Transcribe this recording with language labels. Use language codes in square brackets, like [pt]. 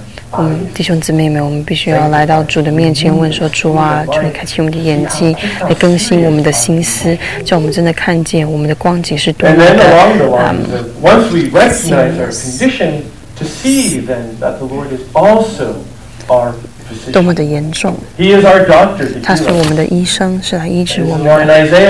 [zh] 我们弟兄姊妹们，我们必须要来到主的面前，问说：主啊，求你开启我们的眼睛，来更新我们的心思，叫我们真的看见我们的光景是多么的。 [en] Once we recognize our condition, to see then that the Lord is also our [zh] 多么的严重，他是我们的医生，是来医治我们的。